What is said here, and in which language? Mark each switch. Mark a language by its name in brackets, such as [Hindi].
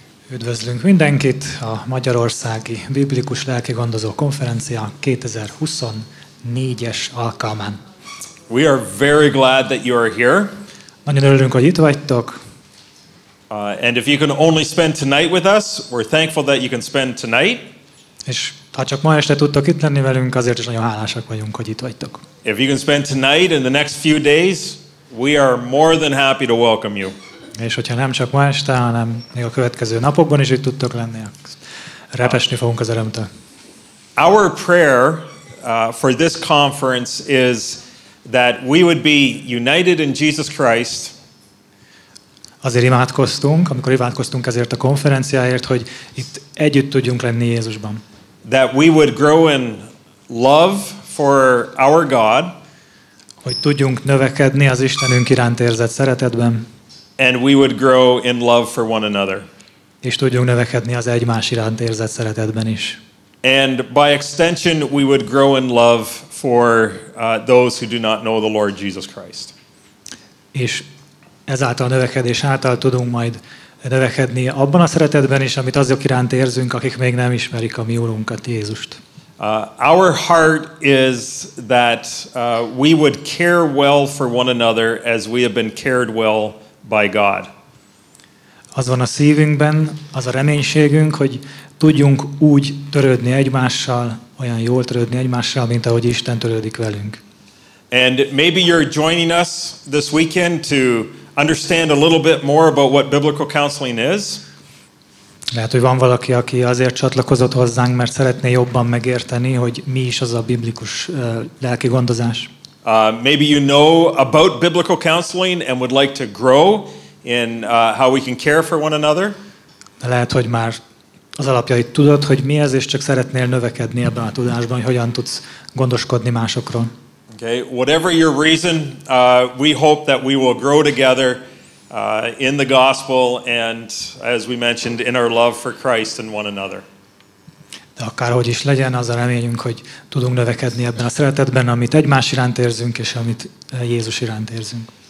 [Hungarian] Üdvözlünk mindenkit a Magyarországi Biblikus Lelkigondozó Konferencia 2024-es alkalmán. [English] We are very glad that you are here. [Hungarian] Nagyon örülünk, hogy itt vagytok. [English] And if you can only spend tonight with us, we're thankful that you can spend tonight. [Hungarian] És ha csak ma este tudtok itt lenni velünk, azért is nagyon hálásak vagyunk, hogy itt vagytok. [English] If you can spend tonight and the next few days, we are more than happy to welcome you. [Hungarian] És hogyha nem csak ma este, hanem még a következő napokban is itt tudtok lenni, repesni fogunk az örömtől. [English] Our prayer for this conference is that we would be united in Jesus Christ. [Hungarian] Azért imádkoztunk, amikor imádkoztunk ezért a konferenciáért, hogy itt együtt tudjunk lenni Jézusban. [English] That we would grow in love for our God. [Hungarian] Hogy tudjunk növekedni az Istenünk iránt érzett szeretetben. [English] And we would grow in love for one another. [Hungarian] És tudjunk növekedni az egymás iránt érzett szeretetben is. [English] And by extension, we would grow in love for those who do not know the Lord Jesus Christ. [Hungarian] És ezáltal a növekedés által tudunk majd növekedni abban a szeretetben is, amit azok iránt érzünk, akik még nem ismerik a mi Úrunkat, Jézust. [English] Our heart is that we would care well for one another as we have been cared well by God. [Hungarian] Az van a szívünkben, az a reménységünk, hogy tudjunk úgy törődni egymással, olyan jól törődni egymással, mint ahogy Isten törődik velünk. [English] And maybe you're joining us this weekend to understand a little bit more about what biblical counseling is. [Hungarian] Lehet, hogy van valaki, aki azért csatlakozott hozzánk, mert szeretné jobban megérteni, hogy mi is az a biblikus lelki gondozás. [English] Maybe you know about biblical counseling and would like to grow in how we can care for one another. [Hungarian] Lehet, hogy már az alapjait tudod, hogy mi ez, és csak szeretnél növekedni ebben a tudásban, hogy hogyan tudsz gondoskodni másokról. [English] Okay, whatever your reason, we hope that we will grow together in the gospel and, as we mentioned, in our love for Christ and one another. [Hungarian] De akárhogy is legyen, az a reményünk, hogy tudunk növekedni ebben a szeretetben, amit egymás iránt érzünk, és amit Jézus iránt érzünk.